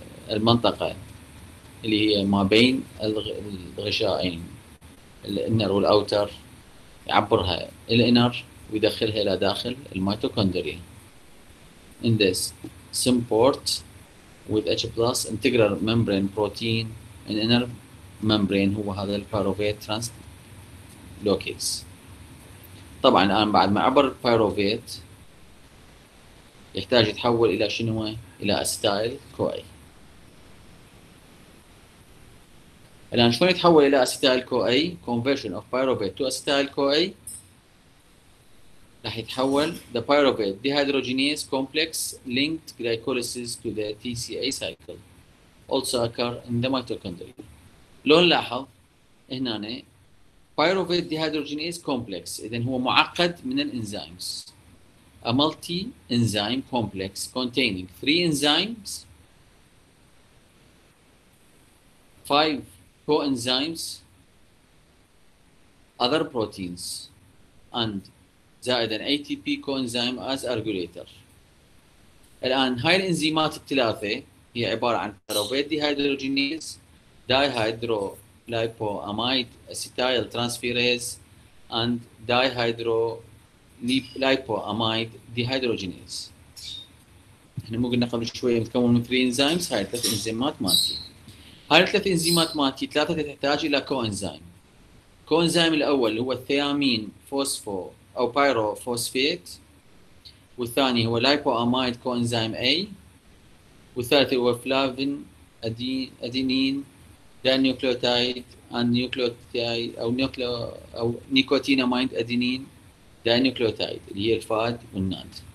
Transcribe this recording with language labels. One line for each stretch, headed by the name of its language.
Arabic: المنطقه اللي هي ما بين الغشائين الانر والاوتر، يعبرها الانر ويدخلها الى داخل الميتوكوندريا.
English: In this symport with H plus integral membrane protein and inner membrane
Arabic: هو هذا البايروفيت ترانس لوكيز. طبعا الان بعد ما عبر البايروفيت يحتاج يتحول الى شنو؟ الى استايل كو اي. الآن شلون يتحول إلى أستيتال كو أي؟
English: conversion of pyruvate to
Arabic: أستيتال كو أي راح يتحول
English: the pyruvate dehydrogenase complex linked glycolysis to the TCA cycle also occur in the mitochondria.
Arabic: لو نلاحظ هنا
English: pyruvate dehydrogenase complex
Arabic: إذن هو معقد من الإنزيمز،
English: a multi enzyme complex containing three enzymes, five coenzymes, other proteins, and زائد an ATP coenzyme as a regulator.
Arabic: الآن هاي الإنزيمات الثلاثة هي عبارة عن
English: pyruvate dehydrogenase, dihydrolipoamide acetyl transferase, and dihydrolipoamide dehydrogenase.
Arabic: احنا مو قلنا قبل شوية متكون من 3 enzymes، هاي ثلاث إنزيمات مالتي. هاي الثلاث انزيمات مالتي ثلاثه تحتاج الى كوانزيم. كوانزيم الاول هو الثيامين فوسفو او بايرو فوسفيت، والثاني هو لايبو امايد كوانزيم اي، والثالث هو فلافين ادينين دانيوكليوتايد ان نيوكليوتايد او نيوكلو او نيكوتين امايد ادينين دانيوكليوتايد اللي هي الفاد والناد.